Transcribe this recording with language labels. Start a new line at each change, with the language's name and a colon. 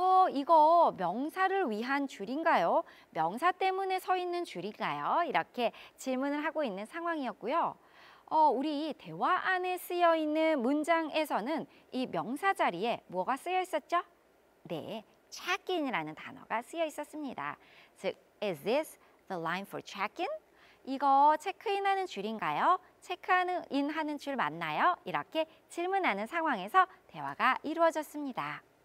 Korean: 이거 명사를 위한 줄인가요? 명사 때문에 서 있는 줄인가요? 이렇게 질문을 하고 있는 상황이었고요. 우리 대화 안에 쓰여 있는 문장에서는 이 명사 자리에 뭐가 쓰여 있었죠? 네, check-in이라는 단어가 쓰여 있었습니다. 즉,
English: is this the line for check-in?
Korean: 이거 체크인하는 줄인가요? 체크인하는 줄 맞나요? 이렇게 질문하는 상황에서 대화가 이루어졌습니다.